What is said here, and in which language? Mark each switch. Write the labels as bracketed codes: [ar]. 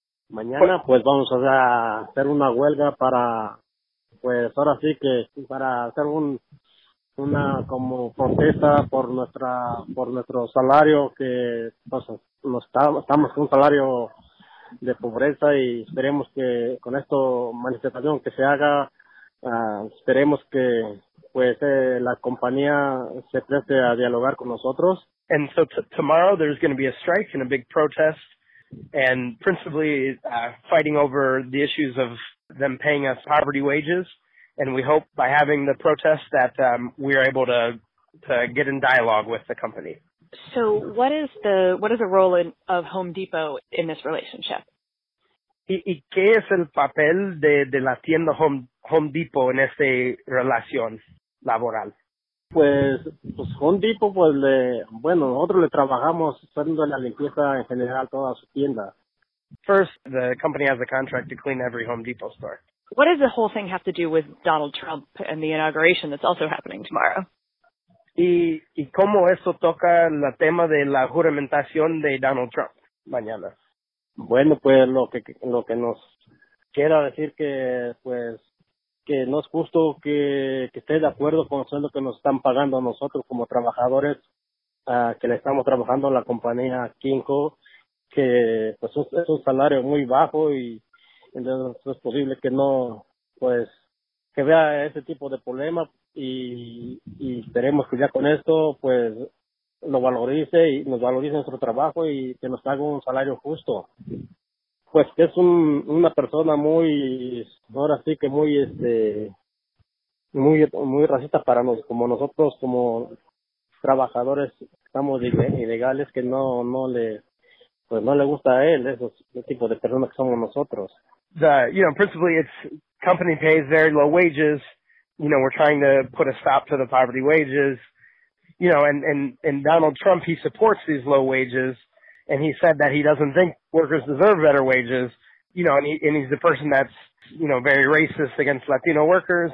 [es] Mañana, pues vamos a hacer una huelga para, pues ahora sí que, para hacer un una como protesta por nuestra por nuestro salario que pues estamos con un salario de pobreza y esperemos que con esta manifestación que se haga esperemos que pues la compañía se preste a dialogar con nosotros. [en] And so tomorrow there's going to be a strike and a big protest and principally fighting over the issues of them paying us poverty wages. And we hope by having the protest that we are able to get in dialogue with the company. So what is the role of Home Depot in this relationship? [es] ¿Y qué es el papel de la tienda Home Depot en esta relación laboral? Pues Home Depot, pues le, bueno, nosotros le trabajamos haciendo la limpieza en general toda su tienda. [en] First, the company has a contract to clean every Home Depot store. What does the whole thing have to do with Donald Trump and the inauguration that's also happening tomorrow? [es] ¿Y cómo eso toca el tema de la juramentación de Donald Trump mañana? Bueno, pues lo que nos quiera decir que pues que no es justo que esté de acuerdo con lo que nos están pagando a nosotros como trabajadores que le estamos trabajando a la compañía Kinko, que pues es un salario muy bajo y entonces es posible que no, pues, que vea ese tipo de problema y esperemos que ya con esto, pues, lo valorice y nos valorice nuestro trabajo y que nos haga un salario justo. Pues que es una persona muy, ahora sí que muy, muy, muy racista para nosotros, como nosotros, como trabajadores, estamos ilegales, que no le gusta a él, ese tipo de personas que somos nosotros. [en] Principally, it's company pays very low wages. You know, we're trying to put a stop to the poverty wages. You know, and Donald Trump, he supports these low wages, and he said that he doesn't think workers deserve better wages. You know, and he's the person that's, you know, very racist against Latino workers.